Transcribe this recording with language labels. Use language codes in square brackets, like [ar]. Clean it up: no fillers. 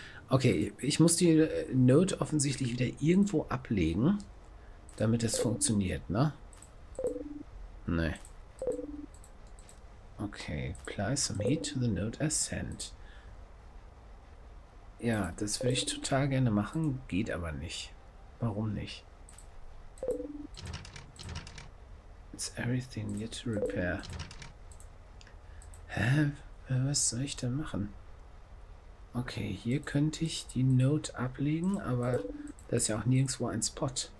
[de] Okay, ich muss die Note offensichtlich wieder irgendwo ablegen, damit es funktioniert, ne? Nee. [en] Okay, apply some heat to the note I sent. [de] Ja, das würde ich total gerne machen, geht aber nicht. Warum nicht? [en] It's everything yet to repair. Hä? [de] Was soll ich denn machen? Okay, hier könnte ich die Note ablegen, aber da ist ja auch nirgendwo ein Spot.